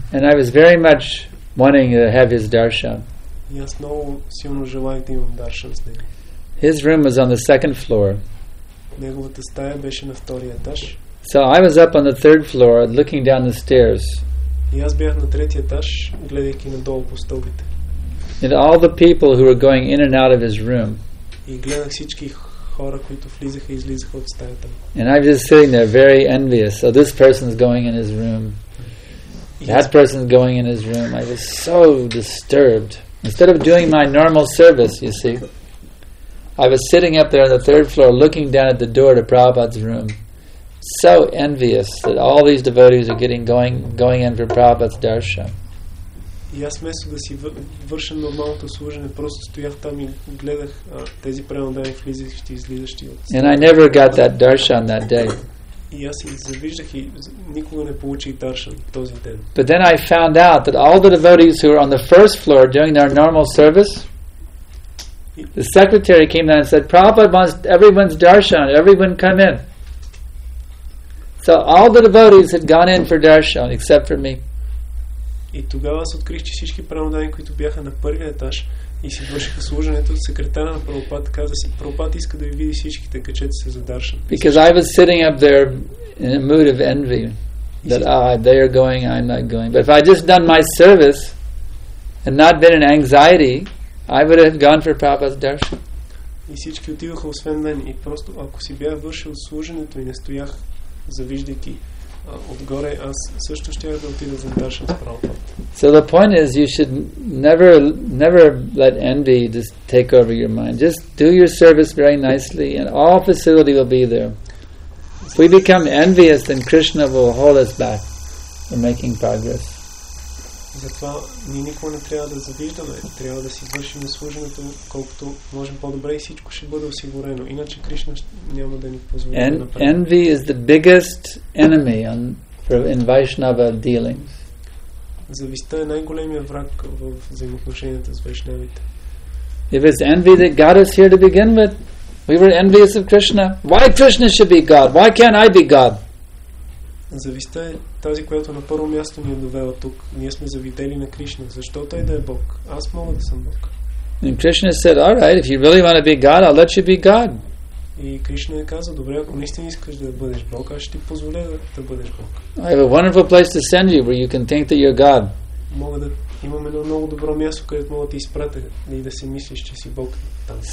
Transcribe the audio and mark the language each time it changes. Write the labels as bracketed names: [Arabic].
[English] And I was very much wanting to have his darshan. [Bulgarian] И аз много силно желаях да имам даршан с него. [English] His room was on the second floor. [Bulgarian] Неговата стая беше на втория етаж. [English] So I was up on the third floor looking down the stairs. [Bulgarian] И аз бях на третия етаж, гледайки надолу по стълбите. [English] And all the people who were going in and out of his room. [Bulgarian] И гледах всички хора, които влизаха и излизаха от стаята му. [English] And I was just sitting there very envious. So this person is going in his room. That person is going in his room. I was so disturbed. Instead of doing my normal service, you see, I was sitting up there on the third floor looking down at the door to Prabhupada's room. So envious that all these devotees are getting going in for Prabhupada's darshan. [Bulgarian] И аз вместо да си върша нормалното служене, просто стоях там и гледах тези преподавани влизащи и излизащи от. [English] And I never got that darshan that day. [Bulgarian] И аз се завиждах и никога не получих даршан този ден. [English] But then I found out that all the devotees who were on the first floor doing their normal service, the secretary came down and said, Prabhupada wants everyone's darshan, everyone come in. So all the devotees had gone in for darshan except for me. [Bulgarian] И тогава аз открих, че всички преподавани, които бяха на първия етаж и си вършиха служенето, секретарът на Прабхупада каза: "Прабхупада иска да ви види всичките, качете се за даршан." [English] Because I was sitting up there in a mood of envy that they are going, I'm not going. But if I just done my service and not been in anxiety, I would have gone for Prabhupada's darshan. [Bulgarian] И всички отиваха освен мен и просто ако си бях вършил служенето и не стоях завиждайки отгоре аз също щях да отида за Даршан с Прабхупад. [English] So the point is you should never let envy just take over your mind. Just do your service very nicely and all facility will be there. If we become envious, then Krishna will hold us back from making progress. [Bulgarian] Затова ние никога не трябва да завиждаме, трябва да си вършим служението колкото можем по-добре и всичко ще бъде осигурено. Иначе Кришна няма да ни позволи да напред. [English] Envy is the biggest enemy in Vaishnava dealings. [Bulgarian] Завистта е най-големият враг в взаимоотношенията с вайшнавите. [English] If it's envy that got us here to begin with, we were envious of Krishna. Why Krishna should be God? Why can't I be God? [Bulgarian] Завистта е тази, която на първо място ни е довела тук. Ние сме завидели на Кришна. Защо той да е Бог? Аз мога да съм Бог. [English] And Krishna said, "All right, if you really want to be God, I'll let you be God." [Bulgarian] И Кришна е каза, добре, ако наистина искаш да бъдеш Бог, аз ще ти позволя да бъдеш Бог. [English] I have a wonderful place to send you where you can think that you're God. [Bulgarian] Мога да имам едно много добро място, където мога да ти изпратя и да си мислиш, че си Бог там.